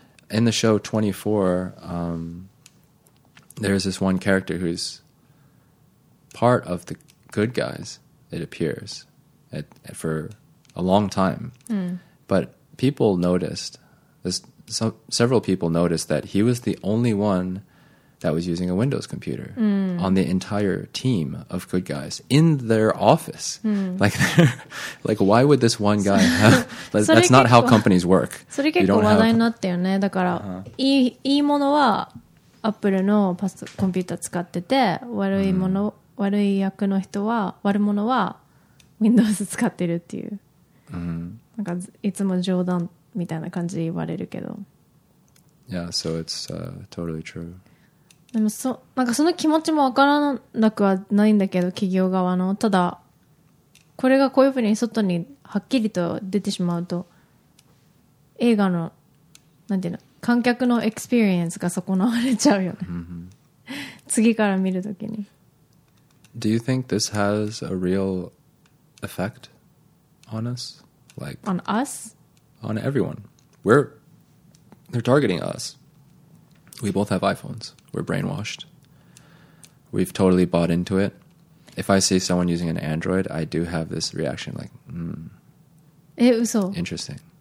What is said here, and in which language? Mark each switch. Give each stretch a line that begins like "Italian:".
English: In the show 24, there's this one character who's part of the good guys, it appears, for a long time. But people noticed, several people noticed that he was the only one that was using a Windows computer on the entire team of good guys in their office. Like, why would this one guy have... that's not how companies work.
Japanese: それ結構話題になったよね。だから、いいものは Apple のパソコンピューター使ってて、悪い役の人は、悪者は Windows 使ってるっていう。なんか、いつも冗談みたいな感じで言われるけど。
English: Yeah, so it's totally true.
Japanese: でもなんかその気持ちもわからなくはないんだけど企業側のただこれがこういうふうに外にはっきりと出てしまうと映画のなんていうの観客のエクスペリエンスが損なわれちゃうよね、次から見るときに
English: Do you think this has a real effect on us? Like, on us? On everyone. They're targeting us. We both have iPhones. We're brainwashed. We've totally bought into it. If I see someone using an Android, I do have this reaction like, interesting.